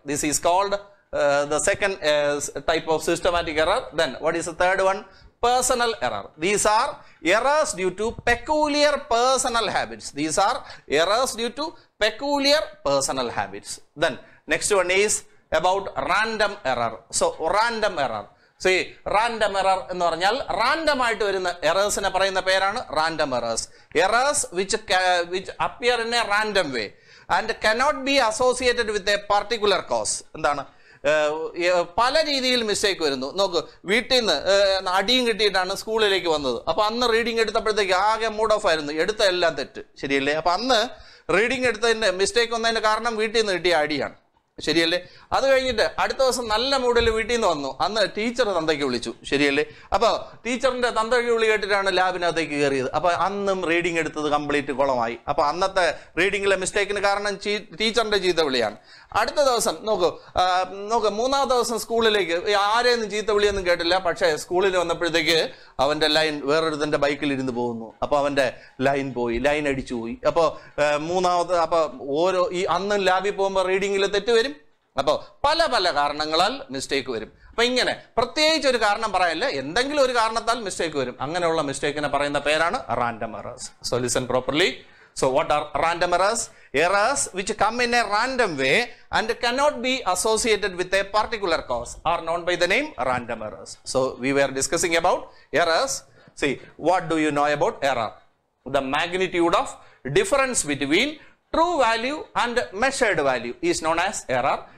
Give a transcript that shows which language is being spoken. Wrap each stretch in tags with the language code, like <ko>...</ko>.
<en>This is called the second type of systematic error. Then what is the third one? Personal error. These are errors due to peculiar personal habits. These are errors due to peculiar personal habits. Then next one is about random error. So random error.</en> <ml>See, random error എന്ന് പറഞ്ഞാൽ random ആയിട്ട് വരുന്ന errors നെ പറയുന്ന പേരാണ് random errors.</ml> <en>Errors which appear in a random way and cannot be associated with a particular cause.</en> <ml>എന്താണ്? പല രീതിയിൽ മിസ്റ്റേക്ക് വരുന്നു. നോക്ക്, വീട്ടിൽ നിന്ന് അടിയും കിട്ടിയിട്ടാണ് സ്കൂളിലേക്ക് വന്നത്. അപ്പൊ അന്ന് റീഡിംഗ് എടുത്തപ്പോഴത്തേക്ക് ആകെ മൂഡ് ഓഫ് ആയിരുന്നു, എടുത്ത എല്ലാം തെറ്റ്, ശരിയല്ലേ? അപ്പൊ അന്ന് റീഡിംഗ് എടുത്തതിന്റെ മിസ്റ്റേക്ക് വന്നതിന്റെ കാരണം വീട്ടിൽ നിന്ന് കിട്ടിയ അടിയാണ്, ശരിയല്ലേ? അത് കഴിഞ്ഞിട്ട് അടുത്ത ദിവസം നല്ല മൂഡിൽ വീട്ടിൽ നിന്ന് വന്നു, അന്ന് ടീച്ചർ തന്തയ്ക്ക് വിളിച്ചു, ശരിയല്ലേ? അപ്പൊ ടീച്ചറിന്റെ തന്തയ്ക്ക് വിളി കേട്ടിട്ടാണ് ലാബിനകത്തേക്ക് കയറിയത്. അപ്പൊ അന്നും റീഡിംഗ് എടുത്തത് കംപ്ലീറ്റ് കുളമായി. അപ്പൊ അന്നത്തെ റീഡിംഗിലെ മിസ്റ്റേക്കിന് കാരണം ടീച്ചറിന്റെ ചീത്ത വിളിയാണ്. അടുത്ത ദിവസം നോക്ക് മൂന്നാമത്തെ ദിവസം സ്കൂളിലേക്ക് ആരെയൊന്നും ചീത്ത വിളിയൊന്നും കേട്ടില്ല. പക്ഷേ സ്കൂളിൽ വന്നപ്പോഴത്തേക്ക് അവന്റെ ലൈൻ വേറൊരുത്തൻ്റെ ബൈക്കിൽ ഇരുന്ന് പോകുന്നു. അപ്പൊ അവന്റെ ലൈൻ പോയി, ലൈൻ അടിച്ചു പോയി. അപ്പൊ മൂന്നാമത്തെ, അപ്പൊ ഓരോ ഈ അന്നും ലാബിൽ പോകുമ്പോൾ റീഡിംഗിൽ തെറ്റ് വരും. അപ്പോ പല പല കാരണങ്ങളാൽ മിസ്റ്റേക്ക് വരും. അപ്പൊ ഇങ്ങനെ പ്രത്യേകിച്ച് ഒരു കാരണം പറയല്ല, എന്തെങ്കിലും ഒരു കാരണത്താൽ മിസ്റ്റേക്ക് വരും. അങ്ങനെയുള്ള മിസ്റ്റേക്കിനെ പറയുന്ന പേരാണ് random errors.</ml> <en>So listen properly. So what are random errors? Errors which come in a random way and cannot be associated with a particular cause are known by the name random errors. So we were discussing about errors. See, what do you know about error? The magnitude of difference between true value and measured value is known as error.</en>